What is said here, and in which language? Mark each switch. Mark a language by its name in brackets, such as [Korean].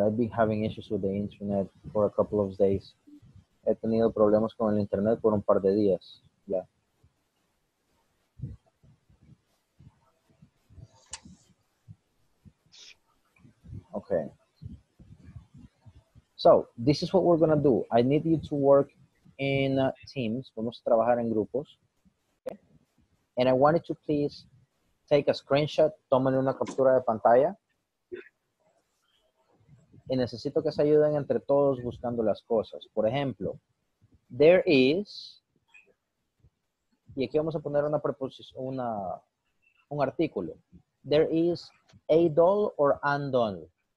[English] I've been having issues with the internet for a couple of days. [Spanish] He tenido problemas con el internet por un par de días. [English] Yeah. Okay. So, this is what we're going to do. I need you to work in teams. [Spanish] Vamos a trabajar en grupos. [English] Okay. And I wanted to please take a screenshot. [Spanish] Tómenle una captura de pantalla. Y necesito que se ayuden entre todos buscando las cosas. Por ejemplo, [English] there is... [Spanish] Y aquí vamos a poner una preposición, un artículo. [English] There is a doll or an doll.